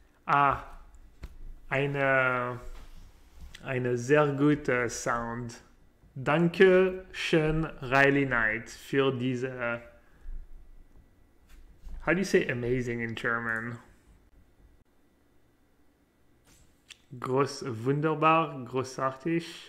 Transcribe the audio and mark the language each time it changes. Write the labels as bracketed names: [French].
[German] Ah, eine sehr gute Sound. Danke schön, Riley Knight, für diese. [English] How do you say amazing in German? [German] Groß, wunderbar, großartig.